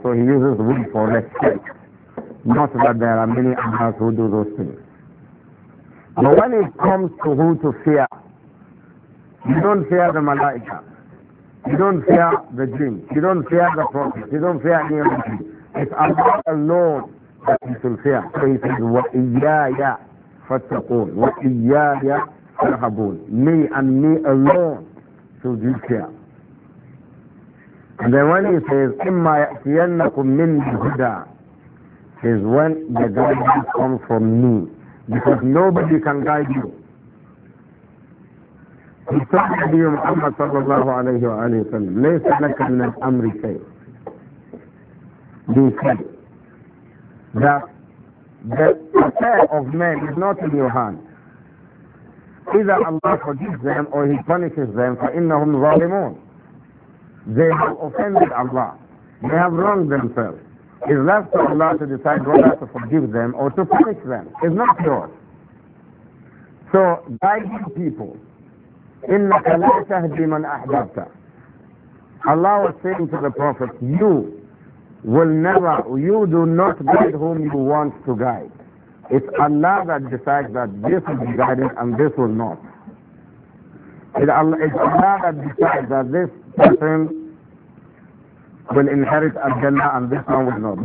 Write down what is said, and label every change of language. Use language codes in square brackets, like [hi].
[en] So he uses we for respect. Not that there are many others who do those things. But when it comes to who to fear, you don't fear the Malaika. You don't fear the jinn. You don't fear the prophet. You don't fear any of the jinn. It's Allah alone that you should fear. [ar] So he says, وَإِيَّايَا فَاتَّقُونَ وَإِيَّايَا فَرْحَبُونَ. [en] Me and me alone should you fear. And then when he says, [ar] إِمَّا يَأْتِيَنَّكُمْ مِنْ هُدَى, [en] is when the guidance comes from me. Because nobody can guide you. He told Nabi Muhammad sallallahu alayhi wa sallam, [ar] لَيْسَ لَكَ مِنَ الْأَمْرِ شَيْءٍ. [en] They said that the affair of men is not in your hands. Either Allah forgives them or He punishes them, [ar] فَإِنَّهُمْ ظَالِمُونَ. [en] They have offended Allah. They have wronged themselves. It's left to Allah to decide whether to forgive them or to punish them. It's not yours. So, guiding people, [ar] إِنَّكَ لَا تَهْدِي مَنْ أَحْبَبْتَ. [en] Allah was saying to the Prophet, you do not guide whom you want to guide. It's Allah that decides that this will be guided and this will not. It's Allah that decides that this person will inherit Al-Jannah and this one will not.